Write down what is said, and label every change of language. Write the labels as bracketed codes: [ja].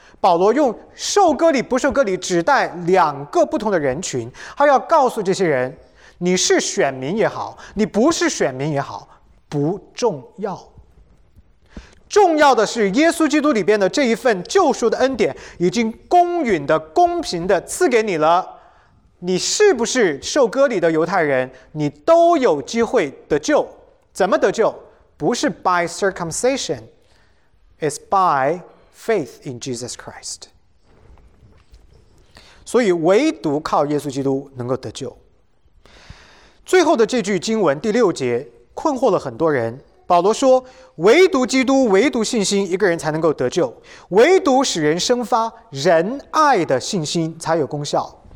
[zh] 保罗用受割礼不受割礼指代两个不同的人群，他要告诉这些人，你是选民也好，你不是选民也好，不重要，重要的是耶稣基督里边的这一份救赎的恩典已经公允的、公平的赐给你了。你是不是受割礼的犹太人，你都有机会得救。怎么得救？不是 [en] by circumcision， it's by faith in Jesus Christ。 [zh] 所以唯独靠耶稣基督能够得救。最后的这句经文第六节困惑了很多人。保罗说，唯独基督，唯独信心，一个人才能够得救，唯独使人生发仁爱的信心才有功效。